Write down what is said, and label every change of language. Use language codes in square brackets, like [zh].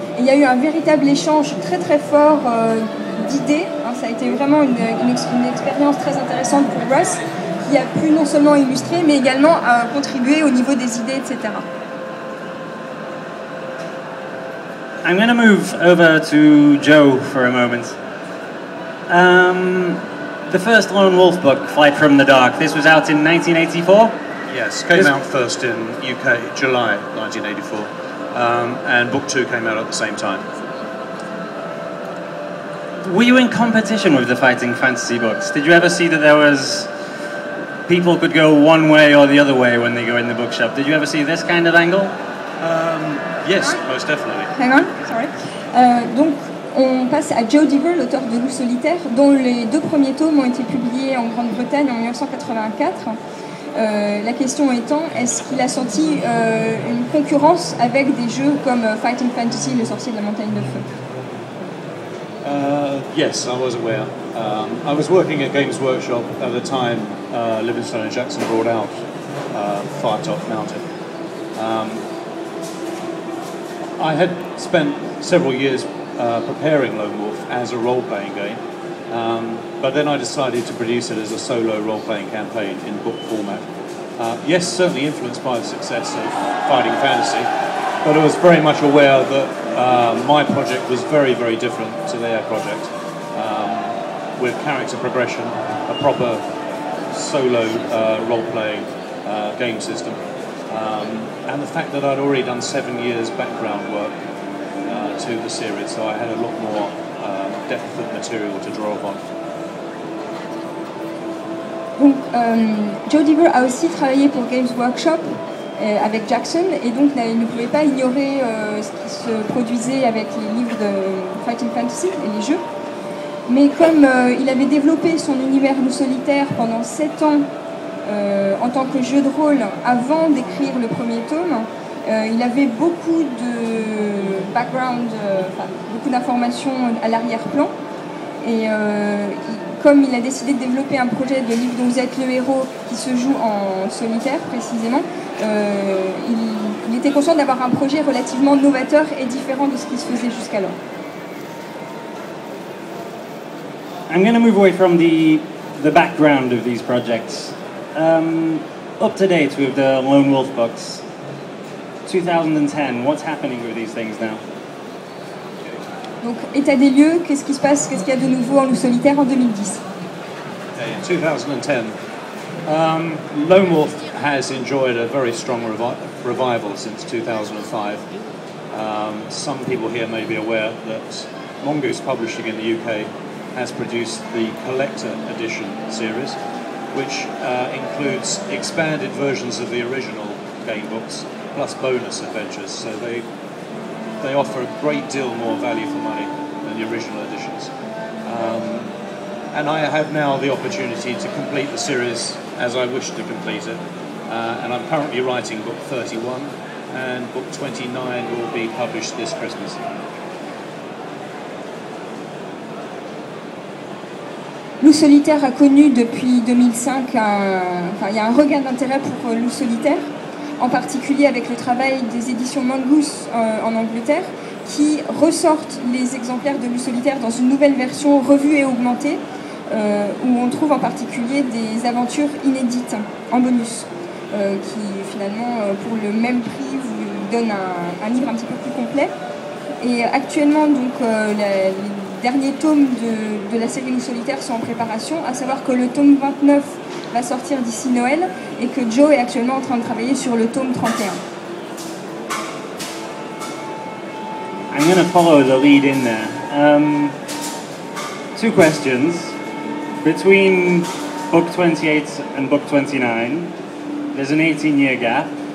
[fr] Il y a eu un véritable échange très très fort d'idées. Hein, ça a été vraiment une expérience très intéressante pour Russ, qui a pu non seulement illustrer, mais également contribuer au niveau des idées, etc. [en] I'm going to move over to Joe for a moment. The first Lone Wolf book, Flight from the Dark, this was out in 1984? Yes, came out first in UK, July 1984. And book two came out at the same time. Were you in competition with the Fighting Fantasy books? Did you ever see that there was people could go one way or the other way when they go in the bookshop? Did you ever see this kind of angle? Yes, most definitely. Hang on, sorry. [fr] Donc, on passe à Joe Dever, l'auteur de Loup Solitaire, dont les deux premiers tomes ont été publiés en Grande-Bretagne en 1984. La question étant, est-ce qu'il a senti une concurrence avec des jeux comme Fighting Fantasy, Le Sorcier de la Montagne de Feu? [en] Yes, I was aware. I was working at Games Workshop at the time Livingstone and Jackson brought out Firetop Mountain. I had spent several years preparing Lone Wolf as a role-playing game, but then I decided to produce it as a solo role-playing campaign in book format. Yes, certainly influenced by the success of Fighting Fantasy, but I was very much aware that my project was very, very different to their project, with character progression, a proper solo role-playing game system, and the fact that I'd already done 7 years background work to the series, so I had a lot more depth of material to draw upon. [fr] Donc, Joe Deaver a aussi travaillé pour Games Workshop avec Jackson, et donc ne pouvait pas ignorer ce qui se produisait avec les livres de Fighting Fantasy et les jeux. Mais comme il avait développé son univers Loup Solitaire pendant 7 ans en tant que jeu de rôle avant d'écrire le premier tome, il avait beaucoup de background, beaucoup d'informations à l'arrière-plan. Et comme il a décidé de développer un projet de livre dont vous êtes le héros qui se joue en solitaire précisément, il était conscient d'avoir un projet relativement novateur et différent de ce qui se faisait jusqu'alors. [en] I'm going to move away from the background of these projects. Up to date with the Lone Wolf books, 2010, what's happening with these things now? [fr] Donc, état des lieux, qu'est-ce qui se passe, qu'est-ce qu'il y a de nouveau en Loup Solitaire en 2010? [en] Okay, 2010, Lone Wolf has enjoyed a very strong revival since 2005. Some people here may be aware that Mongoose Publishing in the UK has produced the Collector Edition series, which includes expanded versions of the original game books, plus bonus adventures, so they offer a great deal more value for money than the original editions. And I have now the opportunity to complete the series as I wish to complete it, and I'm currently writing book 31, and book 29 will be published this Christmas. [fr] Loup Solitaire a connu depuis 2005 il y a un regain d'intérêt pour Loup Solitaire, en particulier avec le travail des éditions Mongoose en Angleterre, qui ressortent les exemplaires de Loup Solitaire dans une nouvelle version revue et augmentée, où on trouve en particulier des aventures inédites en bonus, qui finalement, pour le même prix, vous donne un livre un petit peu plus complet. Et actuellement, donc, les derniers tomes de la série Loup Solitaire sont en préparation, à savoir que le tome 29 va sortir d'ici Noël et que Joe est actuellement en train de travailler sur le tome 31. [en] I'm going to follow the lead in there. Two questions. Between book 28 and book 29, there's an 18-year gap.